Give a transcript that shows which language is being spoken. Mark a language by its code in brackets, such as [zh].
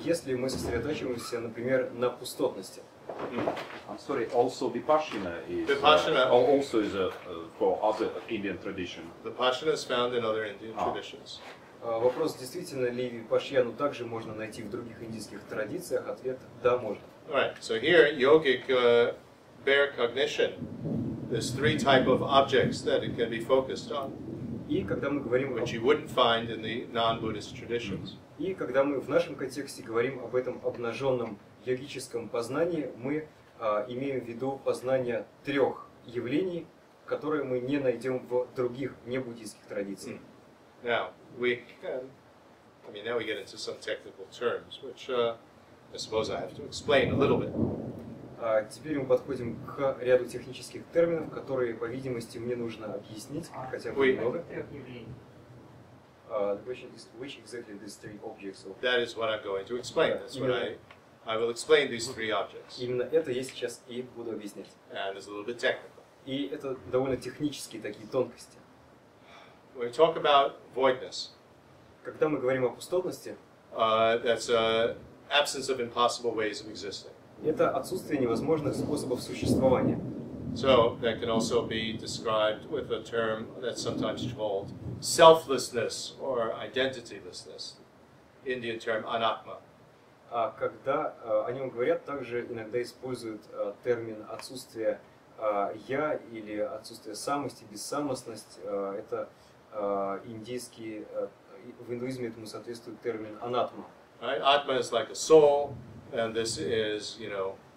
[ru] Если мы сосредотачиваемся, например, на пустотности. [en] I'm sorry, also Vipassana also is for other Indian tradition. Vipassana is found in other Indian traditions. [ru] Вопрос, действительно ли Vipassana также можно найти в других индийских традициях? Ответ – да, можно. [en] All right, so here, yogic bare cognition. There's three type of objects that it can be focused on. [ru] И когда мы говорим [en] which you wouldn't find in the non-Buddhist traditions. [ru] И когда мы в нашем контексте говорим об этом обнаженном йогическом познании, мы имеем в виду познание трех явлений, которые мы не найдем в других небуддийских традициях. [en] Now, now we get into some technical terms, which I suppose I have to explain a little bit. [ru] Теперь мы подходим к ряду технических терминов, которые, по видимости, мне нужно объяснить, хотя бы немного. [en] The question is, which exactly these three objects of... That is what I'm going to explain. That's what I will explain these three objects. [ru] Именно это я сейчас и буду объяснять. [en] And it's a little bit technical. [ru] И это довольно технические такие тонкости. [en] When we talk about voidness. [ru] Когда мы говорим о пустотности. [en] That's an absence of impossible ways of existing. [ru] Это отсутствие невозможных способов существования. [en] So that can also be described with a term that's sometimes called selflessness or identitylessness, Indian term anatma. [ru] Когда о нем говорят, также иногда используют термин отсутствие я или отсутствие самости, бессамостность. Это индийский, в индуизме этому соответствует термин анатма. [en] Right? Atma is like a soul. And this is, you know,